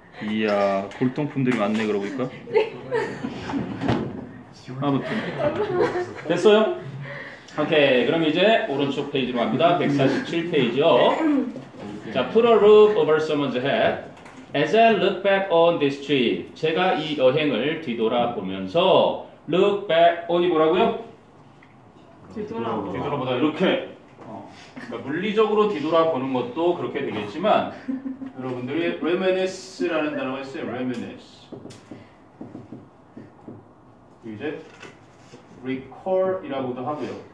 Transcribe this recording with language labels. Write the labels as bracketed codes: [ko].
[ko] 이야, 골동품들이 많네, 그러고 보니까. 아무튼. 됐어요? 오케이. 그럼 이제 오른쪽 페이지로 갑니다. 147페이지요. [en] 자, put a roof over someone's head. As I look back on this trip, [ko] 제가 이 여행을 뒤돌아보면서 [en] look back on이 [ko] 뭐라고요? 뒤돌아보다. 뒤돌아보다 이렇게. 그러니까 물리적으로 뒤돌아보는 것도 그렇게 되겠지만 여러분들이 reminisce라는 단어가 있어요. [en] reminisce. [ko] 이제 recall이라고도 하고요.